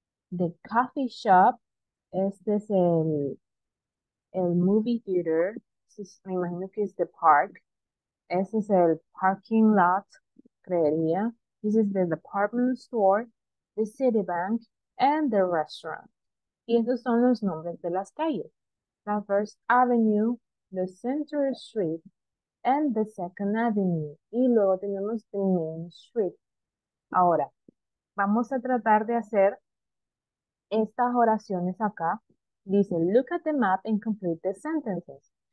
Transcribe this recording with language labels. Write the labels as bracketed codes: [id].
[en] the coffee shop, [es] este es el [en] movie theater, [es] me imagino que es [en] the park, este es el parking lot, [es] creería, [en] this is the department store, the Citibank, and the restaurant. [es] Y estos son los nombres de las calles. [en] La First Avenue, the Center Street, and the Second Avenue. [es] Y luego tenemos the Main Street. Ahora, vamos a tratar de hacer estas oraciones acá. [en] Dice, look at the map and complete the sentences.